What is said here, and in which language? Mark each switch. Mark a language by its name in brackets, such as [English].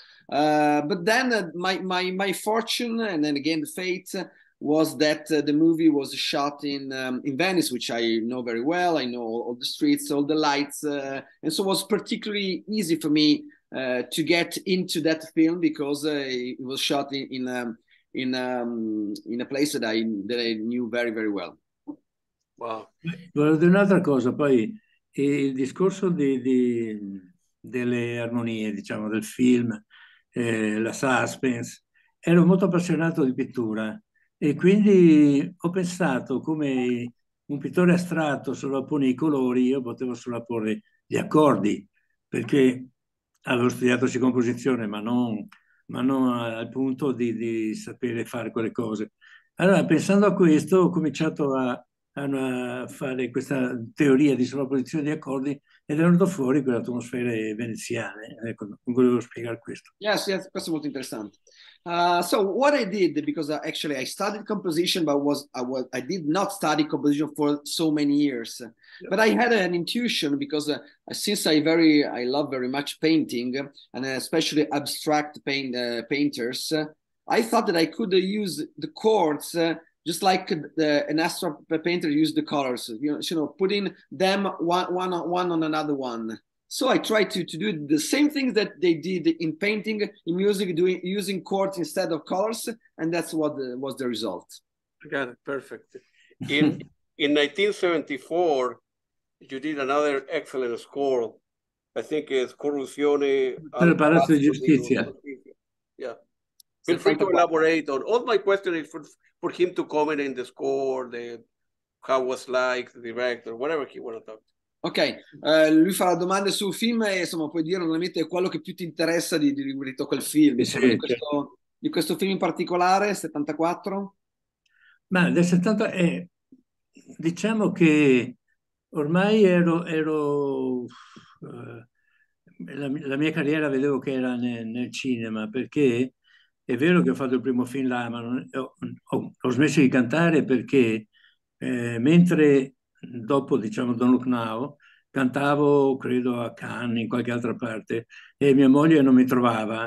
[English] But then my fortune and then again the fate was that the movie was shot in Venice, which I know very well. I know all the streets, all the lights. And so it was particularly easy for me to get into that film because it was shot in a place that I knew very, very well. Wow. [Italian] Well, un'altra cosa, poi il discorso delle armonie, diciamo, del film, la suspense, ero molto appassionato di pittura e quindi ho pensato come un pittore astratto sovrappone i colori, io potevo sovrapporre gli accordi, perché avevo studiato sì composizione, ma non al punto di sapere fare quelle cose. Allora, pensando a questo, ho cominciato a fare questa teoria di sovrapposizione di accordi ed è venuto fuori quelle atmosfere veneziane. Ecco, non volevo spiegare questo. Yes, questo è molto interessante. [English] So what I did, because actually I studied composition, but I did not study composition for so many years. But I had an intuition because since I love very much painting and especially abstract painters, I thought that I could use the chords just like an abstract painter used the colors. You know, putting them one on another one. So I tried to do the same thing that they did in painting, in music, using chords instead of colors, and that's what was the result. I got it, perfect. In 1974, you did another excellent score. I think it's Corruzione. [Italian] Per il Palazzo di Giustizia. [English] Yeah. Feel free to elaborate on. All my question is for him to comment in the score, how was like, the director, whatever he want to talk to. [Italian] Ok, lui fa domande sul film e insomma puoi dire normalmente quello che più ti interessa di quel film, insomma, di questo film in particolare, 74? Ma del 70 è, diciamo che ormai la mia carriera vedevo che era nel cinema, perché è vero che ho fatto il primo film là, ma ho smesso di cantare perché mentre dopo, diciamo, Don't Look Now, cantavo, credo, a Cannes, in qualche altra parte, e mia moglie non mi trovava.